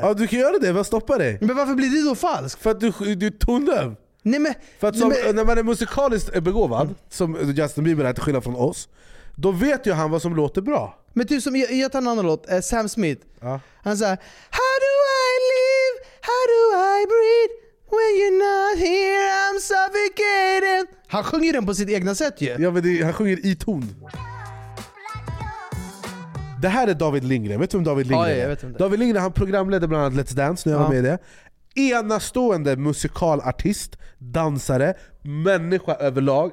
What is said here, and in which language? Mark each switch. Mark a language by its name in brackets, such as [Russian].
[Swedish] Ja, du kan göra det. Vad stoppar det? Men varför blir det då falskt? För att du är tondöv. Nej, men... För att när man är musikaliskt begåvad, som Justin Bieber är till skillnad från oss, då vet ju han vad som låter bra. Men typ som jag tar en annan låt, Sam Smith. Ja. Han säger [English] "how do I live? How do I breathe? When you're not here I'm suffocating." [Swedish] Han sjunger den på sitt egna sätt ju. Ja, men han sjunger i ton. Det här är David Lindgren. Vet du vem David Lindgren är? Jag vet inte. David Lindgren, han programledde bland annat Let's Dance. Nu är jag med i det. Enastående musikalartist, dansare, människa överlag.